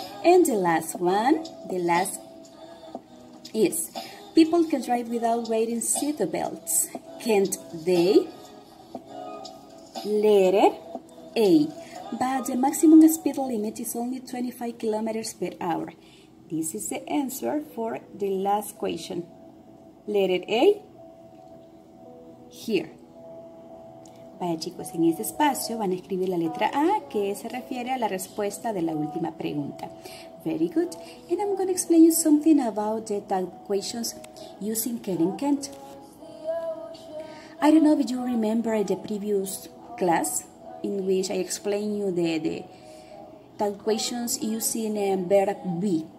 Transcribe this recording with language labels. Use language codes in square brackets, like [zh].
[en] And the last one, the last is, people can drive without wearing seatbelts. Can't they? Letter A. But the maximum speed limit is only 25 kilometers per hour. This is the answer for the last question. Letter A. Here. [es] Vaya chicos, en este espacio van a escribir la letra A, que se refiere a la respuesta de la última pregunta. [en] Very good. And I'm going to explain you something about the tag questions using can and can't. I don't know if you remember the previous class in which I explained you the tag questions using a verb be.